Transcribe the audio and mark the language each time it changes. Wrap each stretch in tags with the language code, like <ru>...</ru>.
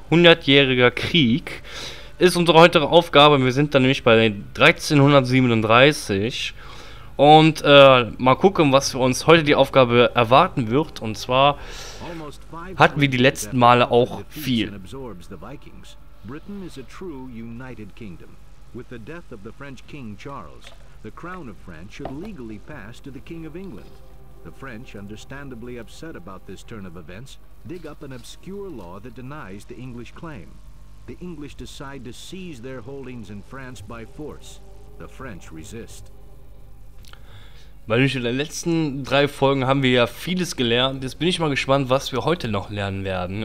<de>100-jähriger Krieg ist unsere heutige Aufgabe. Wir sind dann nämlich bei 1337. Und mal gucken, was für uns heute die Aufgabe erwarten wird. Und zwar hatten wir die letzten Male auch viel.</de> <en>Britain is a true United Kingdom. With the death of the French King Charles, the crown of France should legally pass to the King of England. The French, understandably upset about this turn of events, dig up an obscure law that denies the English claim. The English decide to seize their holdings in France by force. The French resist.</en> <de>Weil in den letzten drei Folgen haben wir ja vieles gelernt. Jetzt bin ich mal gespannt, was wir heute noch lernen werden.</de>